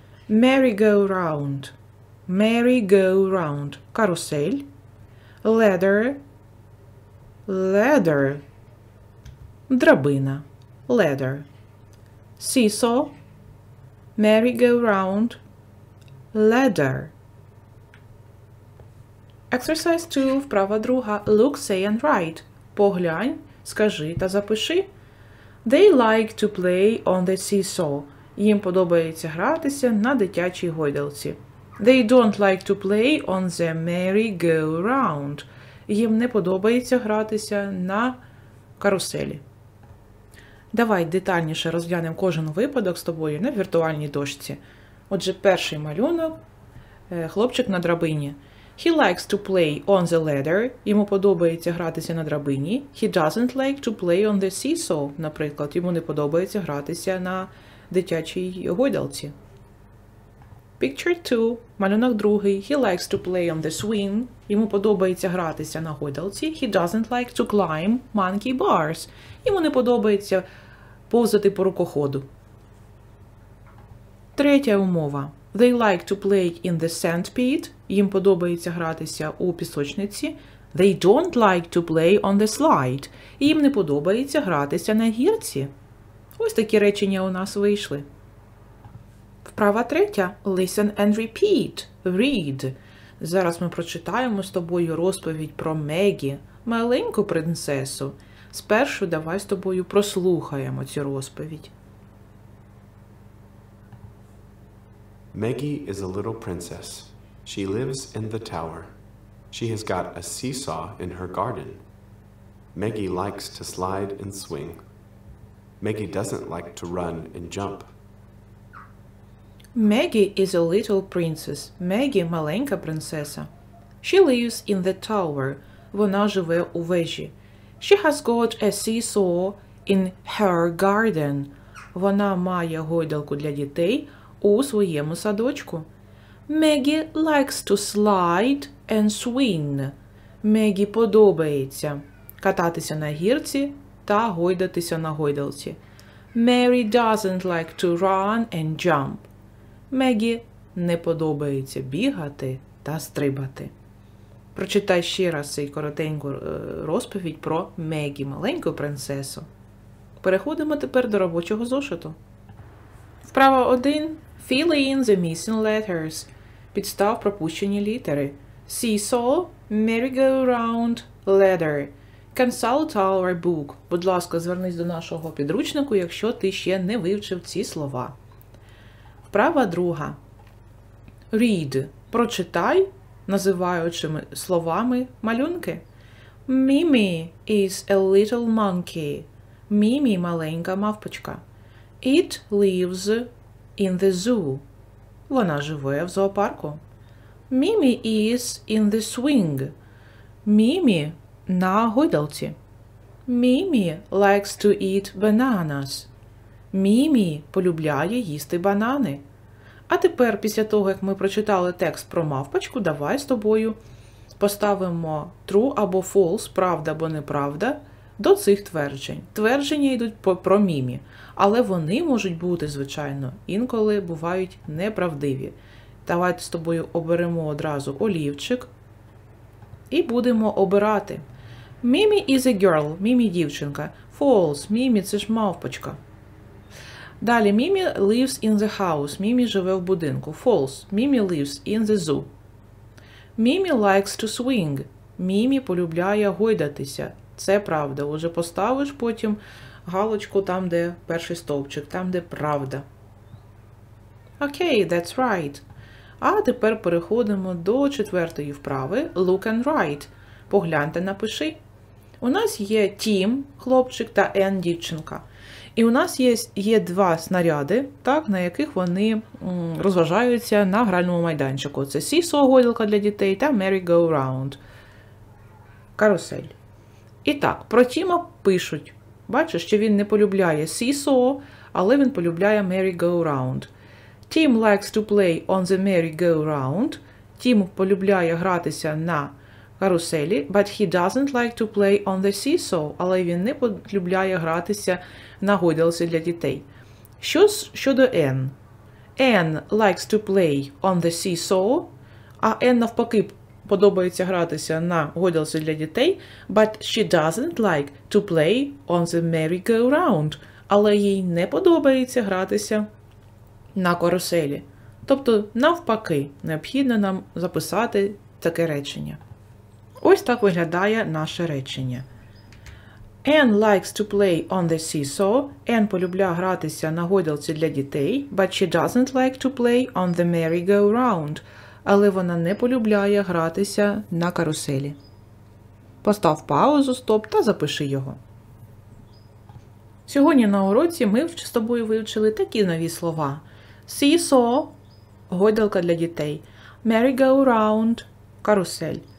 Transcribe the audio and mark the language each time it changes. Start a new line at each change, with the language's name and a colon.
English: Merry-go-round. Merry-go-round.
Ukrainian: Карусель.
English: Ladder. Ladder.
Ukrainian: Драбина.
English: Ladder. Seesaw. Merry-go-round, ladder. Exercise 2,
Ukrainian: вправа друга.
English: Look, say and write.
Ukrainian: Поглянь, скажи та запиши.
English: They like to play on the seesaw.
Ukrainian: Їм подобається гратися на дитячій гойдалці.
English: They don't like to play on the merry-go-round.
Ukrainian: Їм не подобається гратися на каруселі. Давай детальніше розглянемо кожен випадок з тобою на віртуальній дошці. Отже, перший малюнок – хлопчик на драбині.
English: He likes to play on the ladder.
Ukrainian: Йому подобається гратися на драбині.
English: He doesn't like to play on the seesaw,
Ukrainian: наприклад. Йому не подобається гратися на дитячій гойдалці.
English: Picture 2 –
Ukrainian: малюнок другий.
English: He likes to play on the swing.
Ukrainian: Йому подобається гратися на гойдалці.
English: He doesn't like to climb monkey bars.
Ukrainian: Йому не подобається повзати по рукоходу. Третя умова.
English: They like to play in the sand pit.
Ukrainian: Їм подобається гратися у пісочниці.
English: They don't like to play on the slide.
Ukrainian: Їм не подобається гратися на гірці. Ось такі речення у нас вийшли. Вправа третя.
English: Listen and repeat. Read.
Ukrainian: Зараз ми прочитаємо з тобою розповідь про Мегі, маленьку принцесу. Спершу давай з тобою прослухаємо цю розповідь.
English: Meggie is a little princess. She lives in the tower. She has got a seesaw in her garden. Meggie likes to slide and swing. Meggie doesn't like to run and jump. Meggie is a little princess.
Ukrainian: Meggie – маленька принцеса.
English: She lives in the tower.
Ukrainian: Вона живе у вежі.
English: She has got a seesaw in her garden.
Ukrainian: Вона має гойдалку для дітей у своєму садочку.
English: Meggie likes to slide and swing.
Ukrainian: Meggie подобається кататися на гірці та гойдатися на гойдалці.
English: Mary doesn't like to run and jump.
Ukrainian: Meggie не подобається бігати та стрибати. Прочитай ще раз цей коротеньку розповідь про Мегі, маленьку принцесу. Переходимо тепер до робочого зошиту. Вправа 1.
English: Fill in the missing letters.
Ukrainian: Підстав пропущені літери.
English: Seesaw, merry-go-round, ladder. Consult our book.
Ukrainian: Будь ласка, звернись до нашого підручнику, якщо ти ще не вивчив ці слова. Вправа 2.
English: Read.
Ukrainian: Прочитай, називаючими словами малюнки.
English: Mimi is a little monkey. Mimi –
Ukrainian: маленька мавпочка.
English: It lives in the zoo.
Ukrainian: Вона живе в зоопарку.
English: Mimi is in the swing.
Ukrainian: Mimi на гойдалці.
English: Mimi likes to eat bananas.
Ukrainian: Mimi полюбляє їсти банани. А тепер, після того, як ми прочитали текст про мавпочку, давай з тобою поставимо true або false, правда або неправда, до цих тверджень. Твердження йдуть про Mimi, але вони можуть бути, звичайно, інколи бувають неправдиві. Давайте з тобою оберемо одразу олівчик і будемо обирати.
English: Mimi is a girl, Mimi
Ukrainian: дівчинка.
English: False,
Ukrainian: Mimi це ж мавпочка. Далі,
English: Mimi lives in the house,
Ukrainian: Mimi живе в будинку.
English: False, Mimi lives in the zoo. Mimi likes to swing, Mimi
Ukrainian: полюбляє гойдатися. Це правда, уже поставиш потім галочку там, де перший стовпчик, там, де правда. Окей,
English: that's right.
Ukrainian: А тепер переходимо до четвертої вправи,
English: look and write.
Ukrainian: Погляньте, напиши. У нас є Тім, хлопчик, та Ен, дівчинка. І у нас є два снаряди, так, на яких вони розважаються на гральному майданчику. Це сісо-гойдалка для дітей та
English: merry-go-round.
Ukrainian: Карусель. І так, про Тіма пишуть. Бачиш, що він не полюбляє сісо, але він полюбляє
English: merry-go-round. Тім likes to play on the merry-go-round.
Ukrainian: Тім полюбляє гратися на каруселі,
English: but he doesn't like to play on the seesaw,
Ukrainian: але він не полюбляє гратися на гойдалці для дітей. Що щодо Ен? Ен
English: likes to play on the seesaw,
Ukrainian: а Ен навпаки подобається гратися на гойдалці для дітей,
English: but she doesn't like to play on the merry-go-round,
Ukrainian: але їй не подобається гратися на каруселі. Тобто навпаки, необхідно нам записати таке речення. Ось так виглядає наше речення.
English: Ann likes to play on the seesaw.
Ukrainian: Ann полюбляє гратися на гойдалці для дітей.
English: But she doesn't like to play on the merry-go-round.
Ukrainian: Але вона не полюбляє гратися на каруселі. Постав паузу, стоп, та запиши його. Сьогодні на уроці ми з тобою вивчили такі нові слова.
English: Seesaw
Ukrainian: – гойдалка для дітей.
English: Merry-go-round
Ukrainian: – карусель.